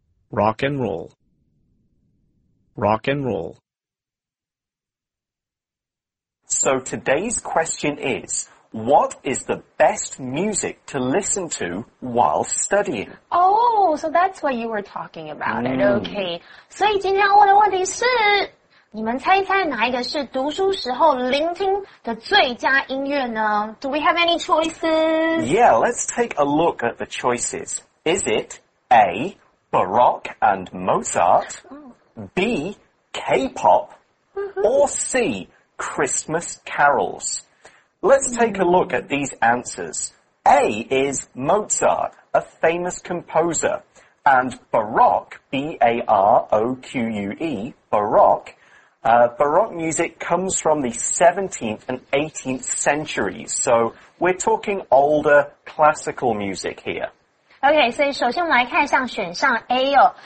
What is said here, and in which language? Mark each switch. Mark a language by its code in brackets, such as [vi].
[en] Rock and roll. Rock and roll. So today's question is,What is the best music to listen to while studying? Oh, so that's what you were talking about it. Okay. [zh] 所以今天要问的问题是，你们猜一猜哪一个是读书时候聆听的最佳音乐呢？ [en] Do we have any choices? Yeah, let's take a look at the choices. Is it A, Baroque and Mozart, B, K-pop, or C, Christmas carols? Let's take a look at these answers. A is Mozart, a famous composer. And Baroque, B-A-R-O-Q-U-E, Baroque. Baroque music comes from the 17th and 18th centuries. So we're talking older classical music here. [zh] OK, 所以首先我们来看一下选项 A 哦。